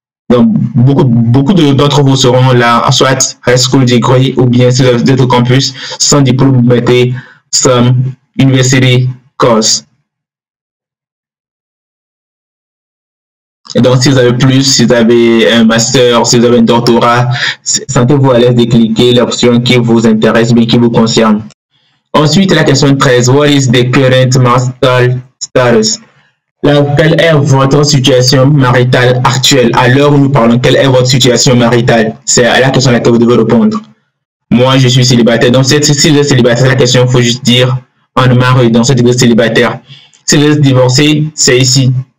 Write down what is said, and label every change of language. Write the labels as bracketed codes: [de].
[fr] Donc, beaucoup d'entre vous seront là, soit [en] high school degree [fr] ou bien si vous êtes au campus, sans diplôme, vous mettez [en] some university course. [fr] Et donc, si vous avez plus, si vous avez un master, si vous avez un doctorat, sentez-vous à l'aise de cliquer l'option qui vous intéresse, mais qui vous concerne. Ensuite, la question 13. [en] What is the current marital status? [fr] Quelle est votre situation maritale actuelle? À l'heure où nous parlons, quelle est votre situation maritale? C'est à la question à laquelle vous devez répondre. Moi, je suis célibataire. Donc, si vous êtes célibataire, c'est la question qu'il faut juste dire en mari. Donc, si vous êtes célibataire. Si vous êtes divorcé, c'est ici.